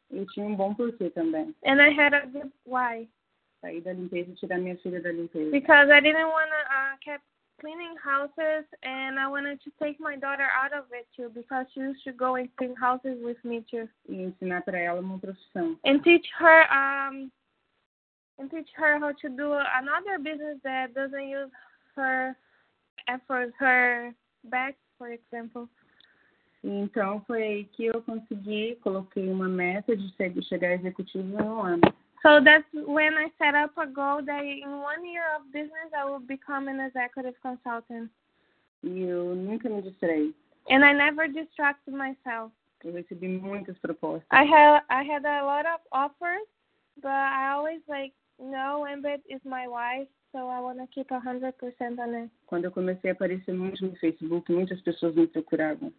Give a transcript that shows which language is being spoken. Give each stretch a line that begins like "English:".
Portuguese: E tinha um bom porquê também.
English: And I had a good why.
Portuguese: Saí da limpeza e tirar minha filha da limpeza.
English: Because I didn't want to keep cleaning houses and I wanted to take my daughter out of it too because she used to go and clean houses with me too.
Portuguese: E ensinar para ela uma profissão.
English: And teach her... And teach her how to do another business that doesn't use her efforts, her back, for example.
Portuguese: Então, foi aí que eu consegui, coloquei uma meta de chegar executivo em 1 ano.
English: So that's when I set up a goal that in 1 year of business, I will become an executive consultant.
Portuguese: Eu nunca me distraí.
English: And I never distracted myself.
Portuguese: Eu recebi muitas propostas.
English: I had a lot of offers, but I always like, no, Embit is my wife, so I want to keep 100% on it.
Portuguese: Quando eu comecei a aparecer muito no Facebook, muitas pessoas me procuravam.